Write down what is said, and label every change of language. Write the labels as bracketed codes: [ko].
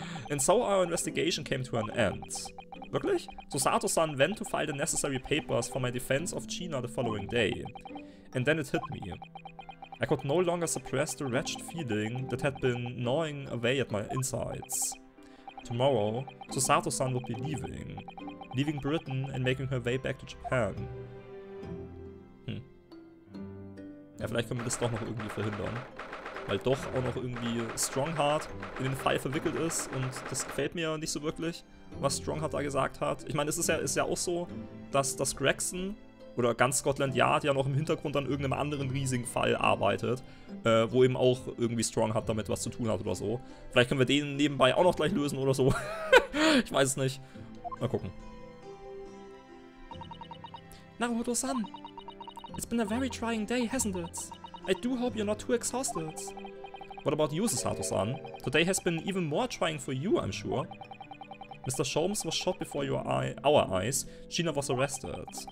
[en] And so our investigation came to an end. [de] Wirklich? [en] So Sato-san went to file the necessary papers for my defense of Gina the following day. And then it hit me. I could no longer suppress the wretched feeling that had been gnawing away at my insides. Tomorrow, Susato-san would be leaving. Leaving Britain and making her way back to Japan. [de] Ja, vielleicht können wir das doch noch irgendwie verhindern. Weil doch auch noch irgendwie Strongheart in den Fall verwickelt ist und das gefällt mir ja nicht so wirklich, was Strongheart da gesagt hat. Ich meine, es ist ja auch so, dass das Gregson oder ganz Scotland Yard ja noch im Hintergrund an irgendeinem anderen riesigen Fall arbeitet, wo eben auch irgendwie Strongheart damit was zu tun hat oder so. Vielleicht können wir den nebenbei auch noch gleich lösen oder so. Ich weiß es nicht. Mal gucken. [en] Naruhodo-san, it's been a very trying day, hasn't it? I do hope you're not too exhausted. What about you, Sato-san? Today has been even more trying for you, I'm sure. Mr. Sholmes was shot before our eyes. Sheena was arrested.